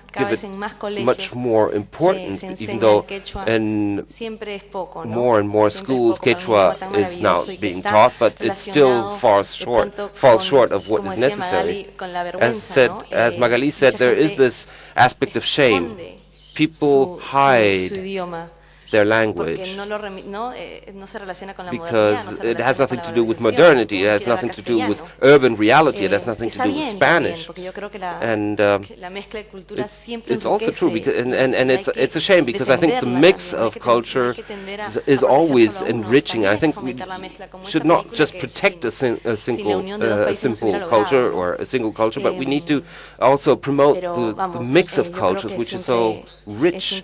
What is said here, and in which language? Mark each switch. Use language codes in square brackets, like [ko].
[en] give it much more importance, even though in more and more schools Quechua is now being taught, but it still falls short of what is necessary. As Magali said, there is this aspect of shame. People hide their language. [es] Porque no lo remi- no, no se relaciona con la [en] because [es] modernidad, no se [en] it has nothing to do with modernity, it has nothing to do with urban reality, it has nothing to do with Spanish. [es] Yo creo que la, [en] and [es] la mezcla de cultura [en] it's, [es] siempre [en] it's also true, because, and it's a shame, because I think the mix of culture is always enriching. I think we should not just protect a single culture, but we need to also promote the mix of cultures, which is so rich.